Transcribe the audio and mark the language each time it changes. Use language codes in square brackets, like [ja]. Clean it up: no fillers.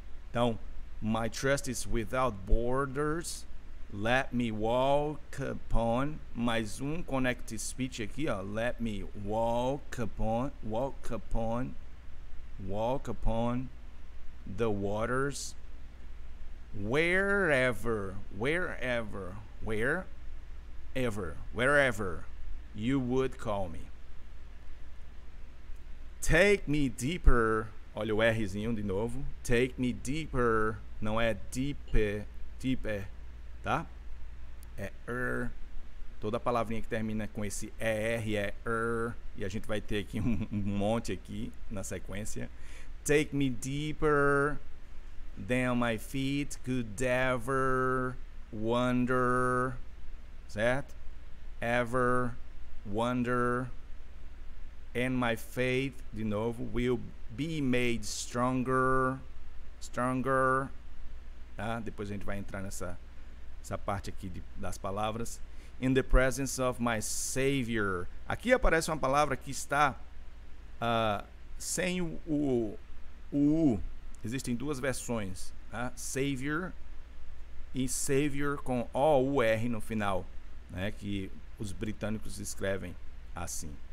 [pt] Então, [en] my trust is without borders. Let me walk upon. [pt] Mais um connected speech aqui, ó. [en] Let me walk upon, walk upon, walk upon the waters, wherever, wherever, where, ever, wherever you would call me. Take me deeper, [pt] olha o Rzinho de novo. [en] Take me deeper, [pt] não é [en] deeper, deeper, tá? É er. [pt] Toda palavrinha que termina com esse er é er. E a gente vai ter aqui um monte aqui na sequência. [en] Take me deeper than my feet could ever wander, [pt] certo? [en] Ever wander, and my faith, [pt] de novo, [en] will be made stronger, stronger, tá? [pt] Depois a gente vai entrar nessa parte aqui das palavras. [en] In the presence of my Savior. [pt] Aqui aparece uma palavra que está sem o U. Existem duas versões, tá? Savior e Savior com O-U-R no final, né? Que os britânicos escrevem assim.